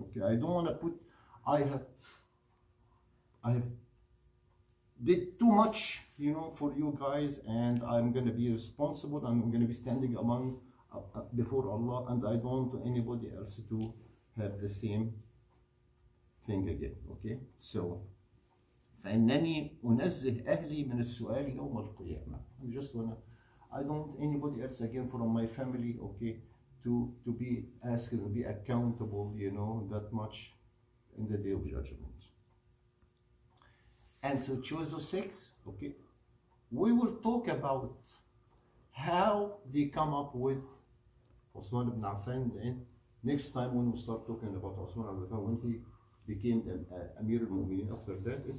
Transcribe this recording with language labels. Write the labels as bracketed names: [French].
[English] Okay, I don't want to put, I have did too much, for you guys, and I'm going to be responsible, and I'm going to be standing among before Allah, and I don't want anybody else to have the same thing again. Okay, so [Arabic] فَإِنَّنِي أُنَزِّهْ أَهْلِي مِنَ السُّؤَالِ يَوْمَ الْقِيَامَةِ. [English] I don't want anybody else again from my family, okay, to be asked and be accountable, that much in the day of judgment. And so choose the six, okay? We will talk about how they come up with Osman ibn Affan then, next time when we start talking about Osman ibn Affan, when he became Amir al-Mu'mineen after that.